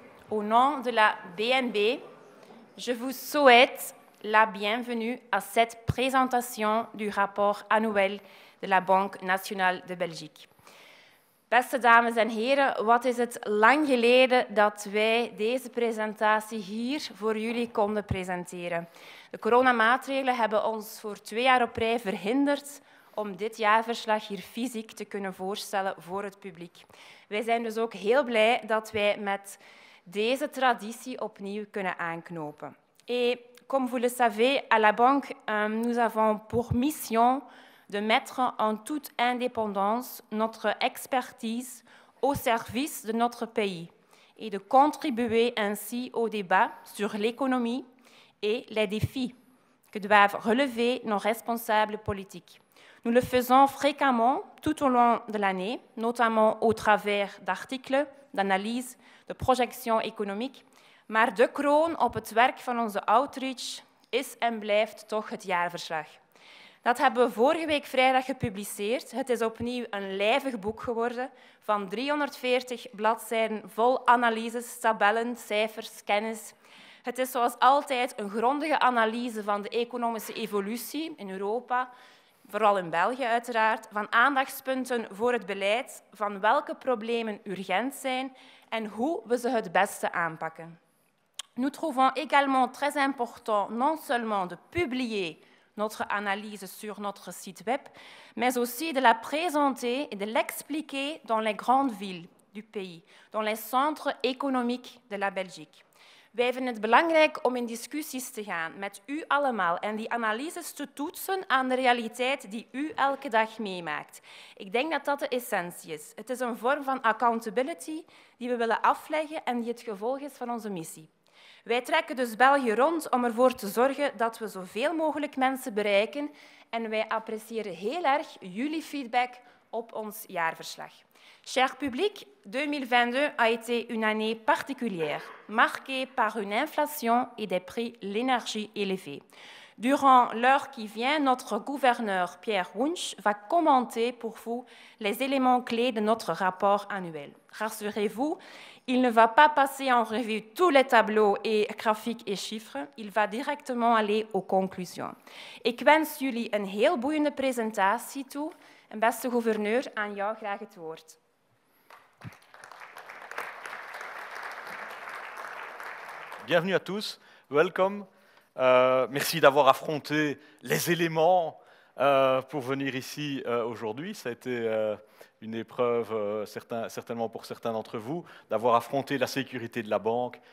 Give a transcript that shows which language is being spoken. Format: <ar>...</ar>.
<fr>au nom de la BNB, je vous souhaite la bienvenue à cette présentation du rapport annuel de la Banque nationale de Belgique.</fr> <nl>Beste dames en heren, wat is het lang geleden dat wij deze presentatie hier voor jullie konden presenteren. De coronamaatregelen hebben ons voor 2 jaar op rij verhinderd om dit jaarverslag hier fysiek te kunnen voorstellen voor het publiek. Wij zijn dus ook heel blij dat wij met deze traditie opnieuw kunnen aanknopen.</nl> <fr>Et comme vous le savez, à la banque, nous avons pour mission de mettre en toute indépendance notre expertise au service de notre pays et de contribuer ainsi au débat sur l'économie et les défis que doivent relever nos responsables politiques. Nous le faisons fréquemment tout au long de l'année, notamment au travers d'articles, d'analyses, de projections économiques.</fr> <nl>Maar de kroon op het werk van onze outreach is en blijft toch het jaarverslag. Dat hebben we vorige week vrijdag gepubliceerd. Het is opnieuw een lijvig boek geworden van 340 bladzijden vol analyses, tabellen, cijfers, kennis. Het is zoals altijd een grondige analyse van de economische evolutie in Europa, vooral in België uiteraard, van aandachtspunten voor het beleid, van welke problemen urgent zijn en hoe we ze het beste aanpakken.</nl> <fr>Nous trouvons également très important non seulement de publier notre analyse sur notre site web, mais aussi de la présenter et de l'expliquer dans les grandes villes du pays, dans les centres économiques de la Belgique.</fr> <nl>Wij vinden het belangrijk om in discussies te gaan met u allemaal en die analyses te toetsen aan de realiteit die u elke dag meemaakt. Ik denk dat dat de essentie is. Het is een vorm van accountability die we willen afleggen en die het gevolg is van onze missie. Wij trekken dus België rond om ervoor te zorgen dat we zoveel mogelijk mensen bereiken en wij appreciëren heel erg jullie feedback op ons jaarverslag.</nl> <fr>Cher public, 2022 a été une année particulière, marquée par une inflation et des prix de l'énergie élevés. Durant l'heure qui vient, notre gouverneur Pierre Wunsch va commenter pour vous les éléments clés de notre rapport annuel. Rassurez-vous, il ne va pas passer en revue tous les tableaux et graphiques et chiffres, il va directement aller aux conclusions.</fr> <nl>Ik wens jullie een heel boeiende presentatie toe. En beste gouverneur, aan jou graag het woord.</nl> <fr>Bienvenue à tous, welcome. Merci d'avoir affronté les éléments pour venir ici aujourd'hui. Ça a été une épreuve, certainement pour certains d'entre vous, d'avoir affronté la sécurité de la banque.</fr>